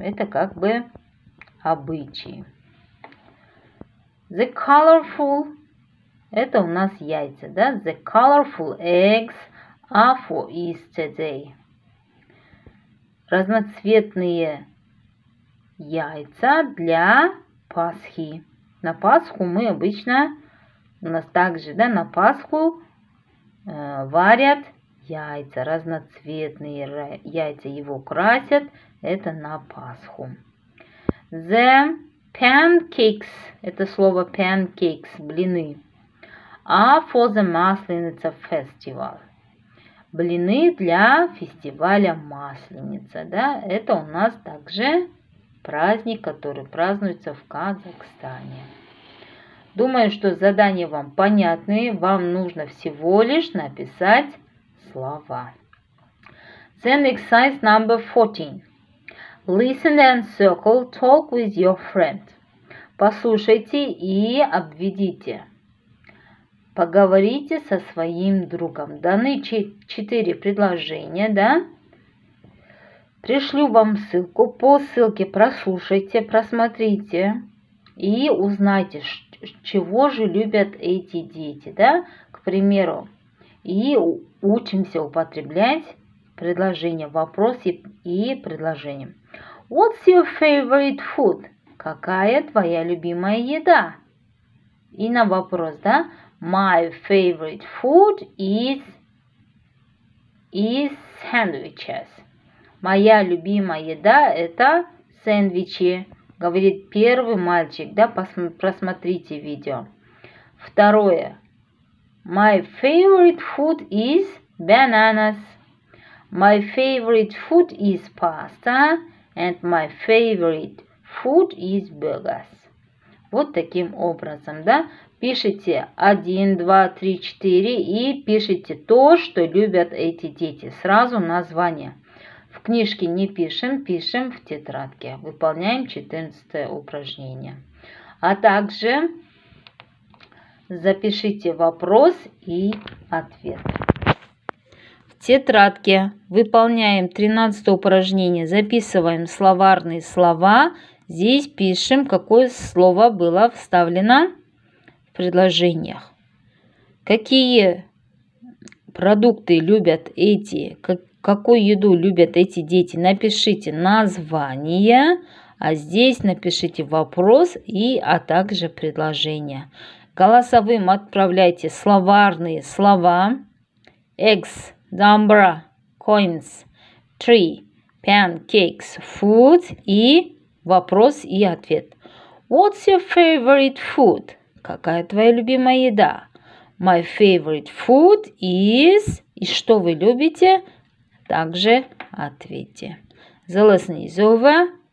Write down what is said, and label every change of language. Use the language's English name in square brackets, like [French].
[Russian] Это как бы обычай. [English] The colorful, [Russian] это у нас яйца, да, [English] the colorful eggs are for Easter Day. [Russian] Разноцветные яйца для... Пасхи. На Пасху мы обычно, у нас также, да, на Пасху варят яйца, разноцветные яйца его красят, это на Пасху. [English] The pancakes, [Russian] это слово [English] pancakes, блины, are for the Масленица Festival. [Russian] Блины для фестиваля Масленица, да, это у нас также праздник, который празднуется в Казахстане. Думаю, что задания вам понятные. Вам нужно всего лишь написать слова. [English] Then exercise number 14. Listen and circle, talk with your friend. [Russian] Послушайте и обведите. Поговорите со своим другом. Даны 4 предложения, да? Пришлю вам ссылку. По ссылке прослушайте, просмотрите и узнайте, чего же любят эти дети, да? К примеру, и учимся употреблять предложения, вопросы и предложения. [English] What's your favorite food? [Russian] Какая твоя любимая еда? И на вопрос, да? [English] My favorite food is sandwiches. [Russian] Моя любимая еда – это сэндвичи, говорит первый мальчик, да? Просмотрите видео. Второе. [English] My favorite food is bananas. My favorite food is pasta. And my favorite food is burgers. [Russian] Вот таким образом, да? Пишите 1, 2, 3, 4 и пишите то, что любят эти дети. Сразу название. В книжке не пишем, пишем в тетрадке. Выполняем 14 упражнение. А также запишите вопрос и ответ. Тетрадки. Выполняем 13 упражнение. Записываем словарные слова. Здесь пишем, какое слово было вставлено в предложениях. Какие продукты любят эти, какую еду любят эти дети? Напишите название, а здесь напишите вопрос и, а также предложение. Голосовым отправляйте словарные слова. [English] Eggs. Dumbra, coins, tree, pancakes, food [Russian] и вопрос и ответ. [English] What's your favorite food? [Russian] Какая твоя любимая еда? [English] My favorite food is... [Russian] И что вы любите? Также ответьте. [English] The lesson is over.